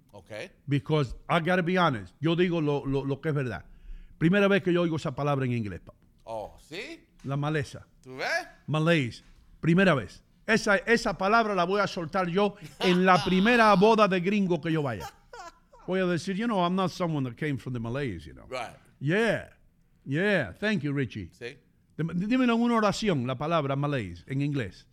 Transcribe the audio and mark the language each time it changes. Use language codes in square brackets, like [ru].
[en] Okay. Because I gotta be honest. [es] Yo digo lo que es verdad. Primera vez que yo oigo esa palabra en inglés. Oh, ¿sí? La maleza. ¿Tú ves? Malaise. Primera vez. Esa palabra la voy a soltar yo en la primera boda de gringo que yo vaya. Voy a decir, [en] you know, I'm not someone that came from the malaise, you know. Right. Yeah. Yeah. Thank you, Richie. [es] Sí. Dime en una oración la palabra malaise en inglés.